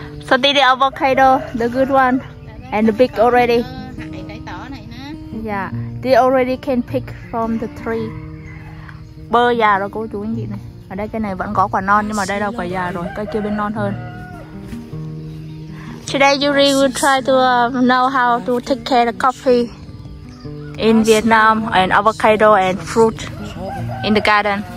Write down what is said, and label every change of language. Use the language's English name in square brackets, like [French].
[English] So the avocado, the good one and the big already. Yeah, they already can pick from the tree. [Vietnamese] Bơ già rồi cô chú anh chị này. Ở đây cái này vẫn có quả non nhưng mà đây là quả già rồi, cây kia bên non hơn. [English] Today Yuri will try to know how to take care of the coffee in Vietnam and avocado and fruit in the garden.